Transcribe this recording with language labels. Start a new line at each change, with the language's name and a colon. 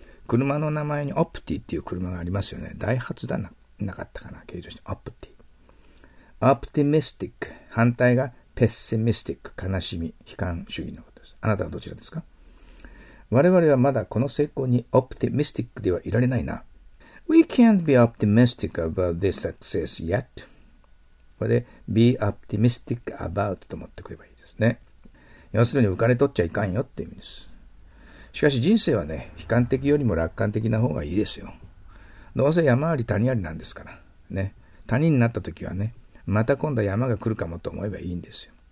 Japanese: 車の名前にオプティっていう車がありますよね。ダイハツだな、なかったかな、形状して。オプティ。オプティミスティック。反対がペッシミスティック。悲しみ、悲観主義のことです。あなたはどちらですか？我々はまだこの成功にオプティミスティックではいられないな。
English: We can't be optimistic about this success yet.
Japanese: これで
English: be optimistic about
Japanese: と思ってくればいいですね。要するに浮かれ取っちゃいかんよっていう意味です。しかし人生はね、悲観的よりも楽観的な方がいいですよ。どうせ山あり谷ありなんですから。ね。谷になった時はね、また今度は山が来るかもと思えばいいんですよ。